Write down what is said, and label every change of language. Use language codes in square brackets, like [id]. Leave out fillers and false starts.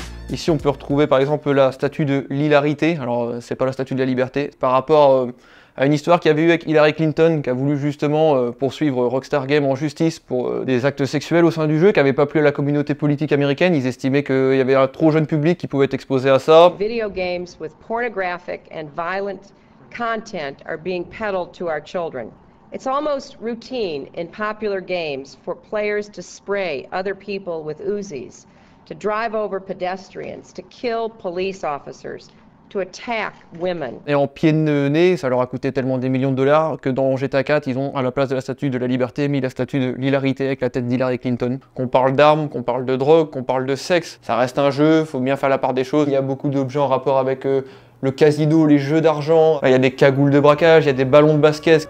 [fr] Ici on peut retrouver par exemple la statue de l'hilarité, alors c'est pas la statue de la liberté, par rapport à une histoire qu'il y avait eu avec Hillary Clinton qui a voulu justement poursuivre Rockstar Games en justice pour des actes sexuels au sein du jeu qui n'avait pas plu à la communauté politique américaine, ils estimaient qu'il y avait un trop jeune public qui pouvait être exposé à ça. [en] Video games with pornographic and violent content are being peddled to our children. It's almost routine in popular games for players to spray other people with Uzis. To drive over pedestrians, to kill police officers, to attack women. [fr] Et en pied de nez, ça leur a coûté tellement des millions de dollars que dans GTA 4, ils ont à la place de la statue de la liberté mis la statue de l'hilarité avec la tête d'Hillary Clinton. Qu'on parle d'armes, qu'on parle de drogue, qu'on parle de sexe, ça reste un jeu, faut bien faire la part des choses. Il y a beaucoup d'objets en rapport avec le casino, les jeux d'argent, il y a des cagoules de braquage, il y a des ballons de basket.